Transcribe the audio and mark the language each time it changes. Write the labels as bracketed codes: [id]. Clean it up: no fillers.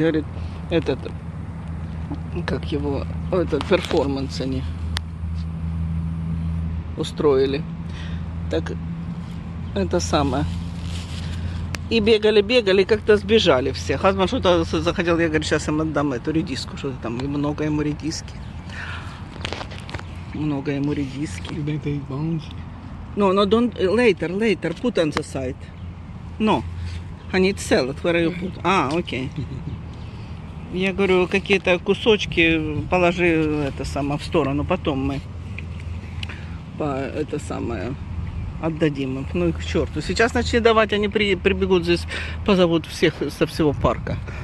[ru] Говорит, этот, как его, этот перформанс они устроили. Так, это самое. И бегали, как-то сбежали все. Хазман что-то захотел, я говорю, сейчас им отдам эту редиску, что-то там, и много ему редиски. Много ему редиски. [en] You make these bones? No, don't, later, put on the side. No, I need salad, where you put. А, окей. Okay. [ru] Я говорю, какие-то кусочки положи это самое в сторону, потом мы по это самое отдадим им. Ну и к черту. Сейчас начнут давать, они прибегут здесь, позовут всех со всего парка.